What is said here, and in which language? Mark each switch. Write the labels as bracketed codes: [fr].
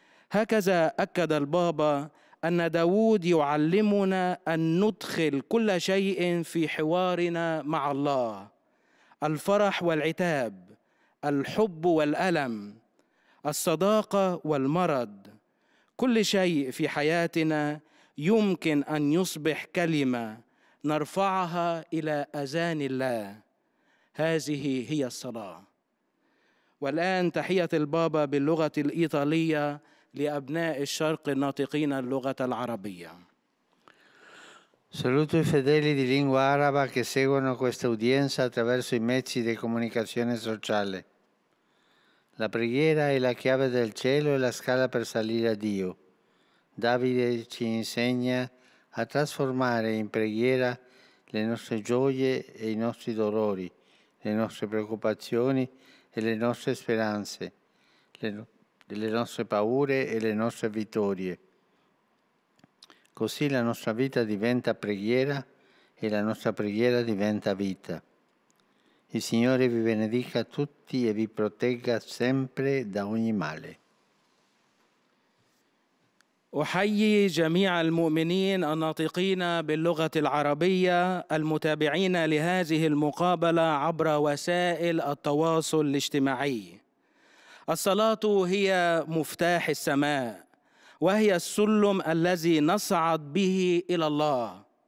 [ar] هكذا أكد البابا أن داود يعلمنا أن ندخل كل شيء في حوارنا مع الله، الفرح والعتاب، الحب والألم، الصداقة والمرض، كل شيء في حياتنا يمكن أن يصبح كلمة نرفعها إلى أذان الله. هذه هي الصلاة. والآن تحية البابا باللغة الإيطالية لأبناء الشرق الناطقين اللغة العربية. [it] Saluto i fedeli di lingua araba che seguono questa udienza attraverso i mezzi di comunicazione sociale. La preghiera è la chiave del cielo e la scala per salire a Dio. Davide ci insegna a trasformare in preghiera le nostre gioie e i nostri dolori, le nostre preoccupazioni e le nostre speranze, le nostre paure e le nostre vittorie. Così la nostra vita diventa preghiera e la nostra preghiera diventa vita. Il Signore vi benedica tutti e vi protegga sempre da ogni male. [ar] أحيي جميع المؤمنين الناطقين باللغة العربية المتابعين لهذه المقابلة عبر وسائل التواصل الاجتماعي. الصلاة هي مفتاح السماء، وهي السلم الذي نصعد به إلى الله.